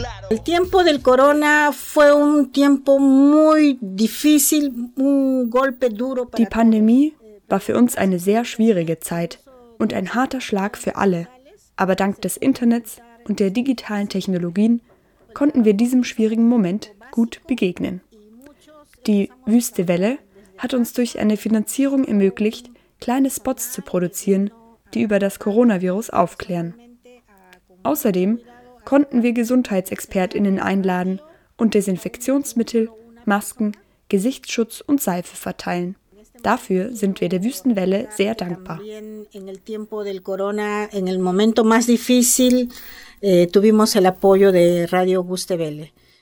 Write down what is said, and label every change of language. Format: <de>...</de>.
<es>El tiempo del corona fue un tiempo muy difícil, un golpe duro.</es> <de>Die Pandemie war für uns eine sehr schwierige Zeit und ein harter Schlag für alle. Aber dank des Internets und der digitalen Technologien konnten wir diesem schwierigen Moment gut begegnen. Die Wüste Welle hat uns durch eine Finanzierung ermöglicht, kleine Spots zu produzieren, die über das Coronavirus aufklären. Außerdem konnten wir GesundheitsexpertInnen einladen und Desinfektionsmittel, Masken, Gesichtsschutz und Seife verteilen. Dafür sind wir der Wüstenwelle sehr dankbar.</de> <es>In el tiempo del corona, en el momento más difícil, tuvimos el apoyo de Radio Wüste Welle.</es>